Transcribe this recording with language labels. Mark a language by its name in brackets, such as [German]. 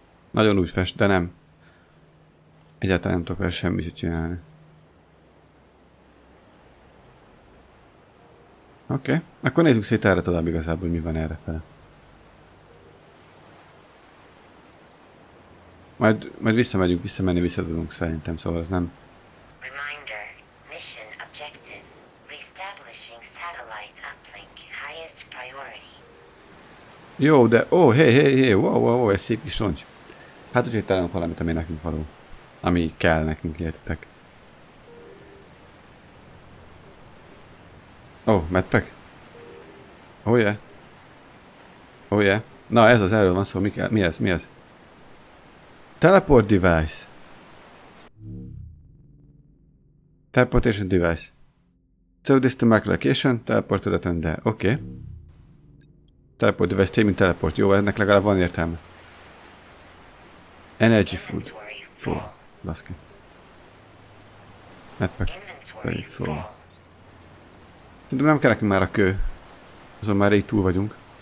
[Hungarian] Nagyon úgy fest, de nem. Egyáltalán nem tudok vele semmit se csinálni. Oké, akkor nézzük szét erre tovább igazából, hogy mi van errefele. Majd visszamegyünk, visszamenni visszatudunk szerintem, szóval ez nem. [English] Reminder, mission objective, reestablishing satellite uplink, highest priority. [Hungarian] Jó, de, ó, hé, ez szép kis roncs. Hát úgyhogy találunk valamit, ami nekünk való. Ami kell nekünk, értitek. [English] Ó, medpack? Oh, yeah. [Hungarian] Na, ez az erről van szó, mi ez? [English] Teleport device. Teleportation device. Through this to mark location, teleport to the tender. Oké. Teleport device, team teleport. [Hungarian] Jó, ennek legalább van értelme. [English] Energy food. Full. [Hungarian] Baszki. [English] Netpack. Very full. [Hungarian] Szerintem nem kell nekünk már a kő. Azon már így túl vagyunk.